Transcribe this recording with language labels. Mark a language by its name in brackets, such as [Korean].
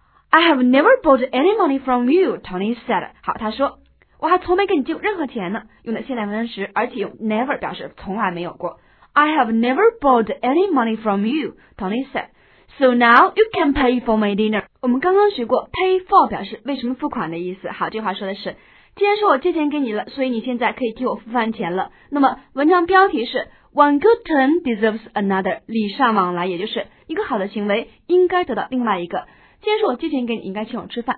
[English] I have never borrowed any money from you, Tony said. [Chinese] 好，他说我还从没跟你借任何钱呢，用的现在完成时，而且用 never 表示从来没有过。 [English] I have never borrowed any money from you, Tony said. So now you can pay for my dinner. [Chinese] 我们刚刚学过 pay for 表示为什么付款的意思。好，这话说的是，既然是我借钱给你了，所以你现在可以替我付饭钱了。那么文章标题是 [English] One good turn deserves another. [Chinese] 礼尚往来，也就是一个好的行为应该得到另外一个。既然是我借钱给你，应该请我吃饭。